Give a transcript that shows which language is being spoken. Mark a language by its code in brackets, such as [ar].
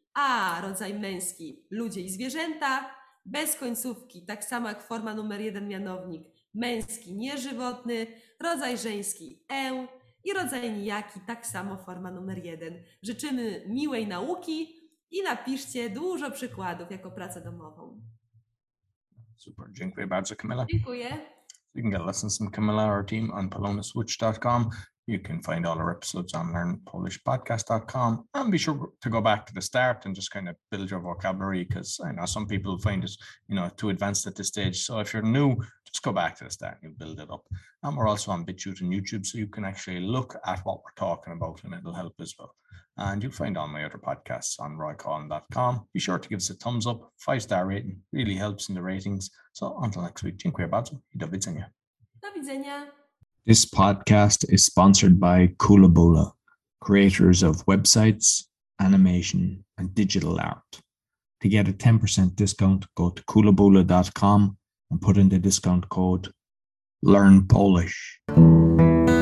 [pl] A, rodzaj męski, ludzie i zwierzęta, bez końcówki, tak samo jak forma numer jeden, mianownik, męski, nieżywotny, rodzaj żeński, e, i rodzaj nijaki, tak samo forma numer jeden. Życzymy miłej nauki i napiszcie dużo przykładów jako pracę domową. Super, dziękuję bardzo, Kamila. Dziękuję. [en] You can get lessons from Kamila or our team on polonaswitch.com. You can find all our episodes on learnpolishpodcast.com. And be sure to go back to the start and just kind of build your vocabulary, because I know some people find it, you know, too advanced at this stage. So if you're new, just go back to the start and you'll build it up. And we're also on BitChute and YouTube, so you can actually look at what we're talking about and it'll help as well. And you'll find all my other podcasts on roycolin.com. Be sure to give us a thumbs up, 5-star rating, really helps in the ratings. So until next week, [pl] dziękuję bardzo I do widzenia. Do widzenia. [en] This podcast is sponsored by Koolaboola, creators of websites, animation, and digital art. To get a 10% discount, go to koolaboola.com and put in the discount code LearnPolish.